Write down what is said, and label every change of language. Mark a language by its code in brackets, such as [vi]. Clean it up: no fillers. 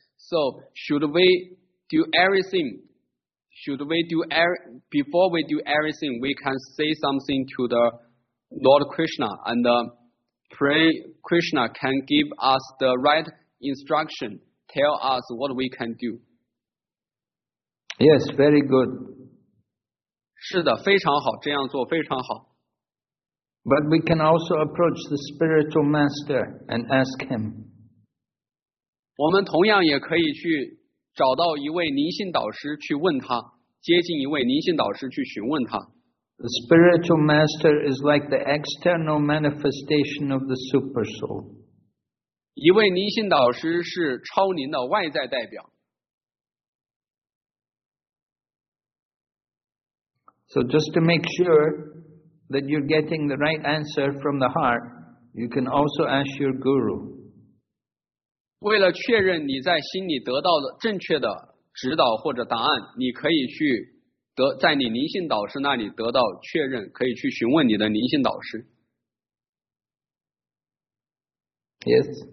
[en] So before we do everything, we can say something to the Lord Krishna and pray Krishna can give us the right instruction, tell us what we can do. Yes, very good. [zh] 是的，非常好，这样做非常好。 [en] But we can also approach the spiritual master and ask him. [zh] 我们同样也可以去找到一位灵性导师去问他，接近一位灵性导师去询问他。 [en] The spiritual master is like the external manifestation of the super soul. [zh] 一位灵性导师是超灵的外在代表。 [en] So just to make sure that you're getting the right answer from the heart, you can also ask your guru. [zh] 为了确认你在心里得到的正确的指导或者答案，你可以去在你灵性导师那里得到确认，可以去询问你的灵性导师。 [en] Yes.